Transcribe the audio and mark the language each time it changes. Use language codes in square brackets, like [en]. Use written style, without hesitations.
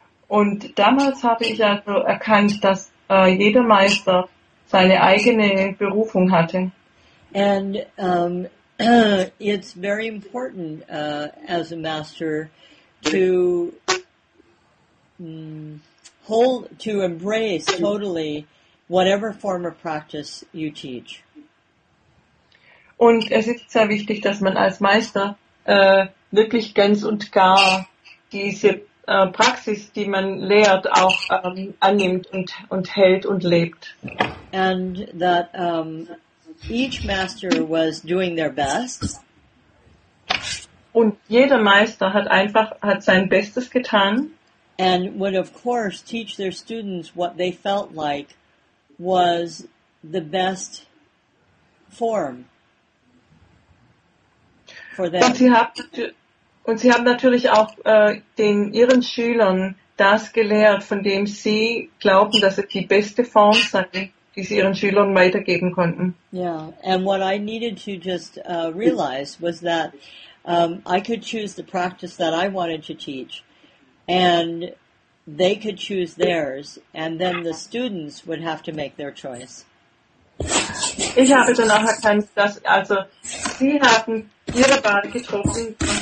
[de] Und damals habe ich also erkannt, dass jeder Meister seine eigene Berufung hatte. [en] And it's very important as a master to to embrace totally whatever form of practice you teach. [de] Und es ist sehr wichtig, dass man als Meister wirklich ganz und gar diese Praxis, die man lehrt, auch annimmt und hält und lebt. [en] And that each master was doing their best. [de] Und jeder Meister hat sein Bestes getan. [en] And would of course teach their students what they felt like was the best form for them. [de] Und sie haben natürlich auch ihren Schülern das gelehrt, von dem sie glauben, dass es die beste Form sei, die sie ihren Schülern weitergeben konnten. [en] Yeah, and what I needed to just realize was that I could choose the practice that I wanted to teach, and they could choose theirs, and then the students would have to make their choice. [de] Ich habe dann auch erkannt, dass also sie hatten ihre Wahl getroffen.